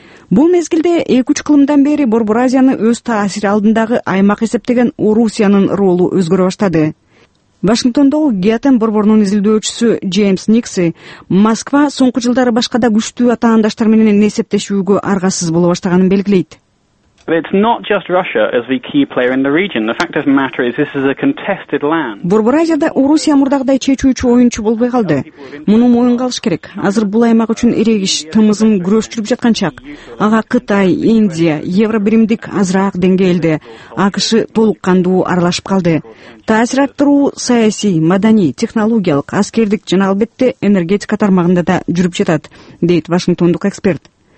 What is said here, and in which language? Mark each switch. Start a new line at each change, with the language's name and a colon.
Kyrgyz: Бул мезгилде 2-3 кылымдан бери Борбор Азияны өз таасири алдындагы аймак эсептеген Орусиянын ролу өзгөрө баштады. Вашингтондогу Геатем борборунун изилдөөчүсү Джеймс Никси: Москва соңку жылдары башка да күчтүү атаандаштар менен эсептешүүгө аргасыз боло баштаганын белгилейт.
English: It's not just Russia as the key player in the region. The fact of the matter is this is a contested land.
Kyrgyz: Борбор Азияда Орусия мурдагыдай чечүүчү оюнчу болбой калды. Муну моюнга алыш керек. Азыр бул аймак үчүн эрегиш, тымызын күрөштүрүп жаткан чак. Ага Кытай, Индия, Евробиримдик азыраак деңгээлде, АКШ толук кандуу аралашып калды. Таасир арттыруу саясий, маданий, технологиялык, аскердик жана албетте энергетика тармагында да жүрүп жатат, дейт Вашингтондук эксперт.